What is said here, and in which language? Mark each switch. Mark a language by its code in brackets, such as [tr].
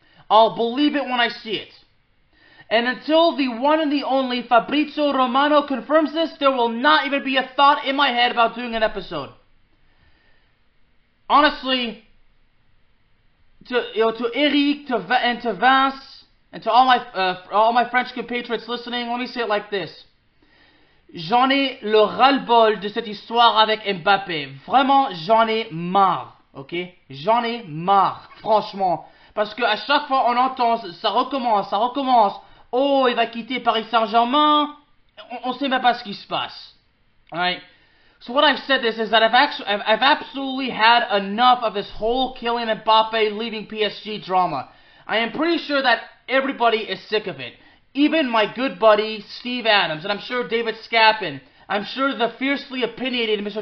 [en] I'll believe it when I see it. And until the one and the only Fabrizio Romano confirms this, there will not even be a thought in my head about doing an episode. Honestly, to Eric, to Vince, and to all my French compatriots listening, let me say it like this. [fr] J'en ai le ras-le-bol de cette histoire avec Mbappé. Vraiment, j'en ai marre, ok? J'en ai marre, franchement. Parce que à chaque fois, on entend, ça recommence. Oh, il va quitter Paris Saint-Germain. On sait même pas ce qui se passe. [en] Alright? So what I've said this is that I've absolutely had enough of this whole killing Mbappé leaving PSG drama. I am pretty sure that everybody is sick of it. Even my good buddy Steve Adams, and I'm sure David Scappin, I'm sure the fiercely opinionated Mr.